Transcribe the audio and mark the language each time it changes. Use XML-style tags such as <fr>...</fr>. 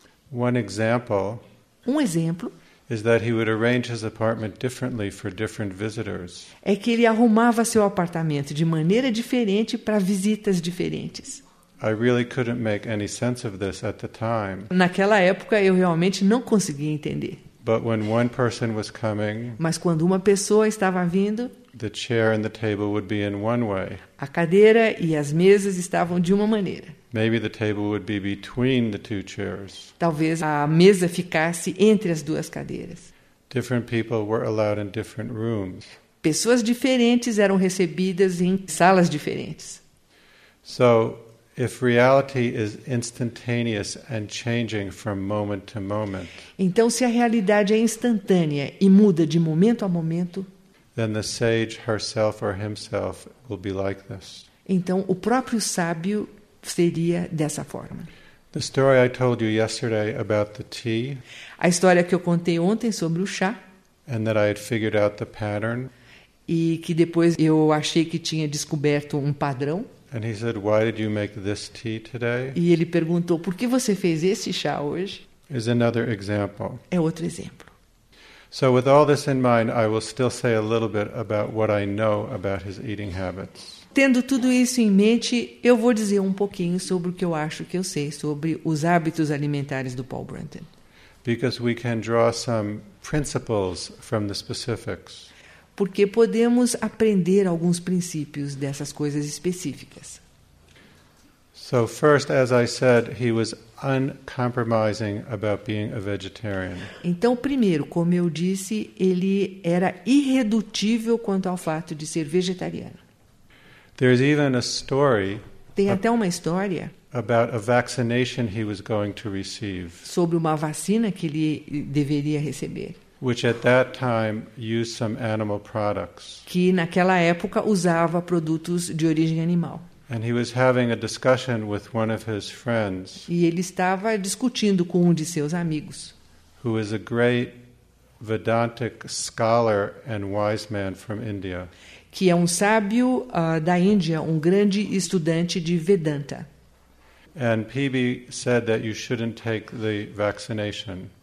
<en>One example,</en> <pt>um exemplo,</pt> <en>is that he would arrange his apartment differently for different visitors.</en> <pt>É que ele arrumava seu apartamento de maneira diferente para visitas diferentes.</pt> <en>I really couldn't make any sense of this at the time.</en> <pt>Naquela época eu realmente não conseguia entender.</pt> <en>But when one person was coming,</en> <pt>mas quando uma pessoa estava vindo,</pt> <en>the chair and the table would be in one way.</en> <pt>A cadeira e as mesas estavam de uma maneira.</pt> <en>Maybe the table would be between the two chairs.</en> <pt>Talvez a mesa ficasse entre as duas cadeiras.</pt> <en>Different people were allowed in different rooms.</en> <pt>Pessoas diferentes eram recebidas em salas diferentes.</pt> <en>So, if reality is instantaneous and changing from moment to moment,</en> <pt>então se a realidade é instantânea e muda de momento a momento,</pt> <en>then the sage herself or himself will be like this.</en> <pt>Então o próprio sábio seria dessa forma.</pt> <en>The story I told you yesterday about the tea,</en> <pt>a história que eu contei ontem sobre o chá,</pt> <en>and that I had figured out the pattern,</en> <pt>e que depois eu achei que tinha descoberto um padrão.</pt> <en>And he said, "Why did you make this tea today?"</en> <pt>E ele perguntou, por que você fez esse chá hoje?</pt> <en>Is another example.</en> <pt>É outro exemplo.</pt> <en>So with all this in mind, I will still say a little bit about what I know about his eating habits.</en> <pt>Tendo tudo isso em mente, eu vou dizer um pouquinho sobre o que eu acho que eu sei sobre os hábitos alimentares do Paul Branton.</pt> <en>Because we can draw some principles from the specifics.</en> <pt>Porque podemos aprender alguns princípios dessas coisas específicas.</pt> <en>So first, as I said, he was uncompromising about being a vegetarian.</en> <pt>Então, primeiro, como eu disse, ele era irredutível quanto ao fato de ser vegetariano.</pt> <en>There's even a story.</en> <pt>Tem até uma história.</pt> <en>About a vaccination he was going to receive.</en> <pt>Sobre uma vacina que ele deveria receber.</pt> <en>Which at that time used some animal products.</en> <pt>Que naquela época usava produtos de origem animal.</pt> <en>And he was having a discussion with one of his friends.</en> <pt>E ele estava discutindo com um de seus amigos.</pt> <en>Who is a great Vedantic scholar and wise man from India.</en> <pt>Que é um sábio da Índia, um grande estudante de Vedanta.</pt> <en>And PB said that you shouldn't take the vaccination.</en>